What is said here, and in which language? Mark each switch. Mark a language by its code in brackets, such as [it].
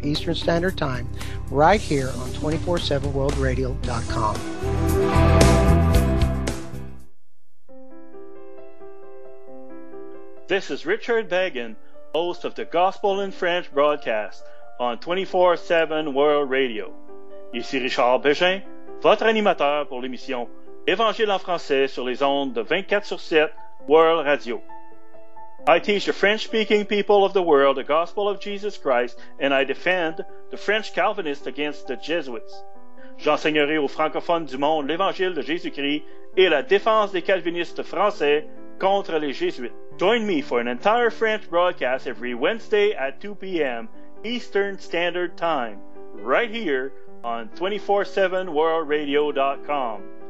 [en] Eastern Standard Time, right here on 247worldradio.com. This is Richard Bagan, host of the Gospel in French broadcast on 247 World Radio. [fr] Ici Richard Bégin, votre animateur pour l'émission Évangile en français sur les ondes de 24/7 World Radio. [en] I teach the French-speaking people of the world the gospel of Jesus Christ, and I defend the French Calvinists against the Jesuits. [fr] J'enseignerai aux francophones du monde l'Évangile de Jésus-Christ et la défense des Calvinistes français contre les Jésuites. [en] Join me for an entire French broadcast every Wednesday at 2 p.m. Eastern Standard Time, right here on 247worldradio.com.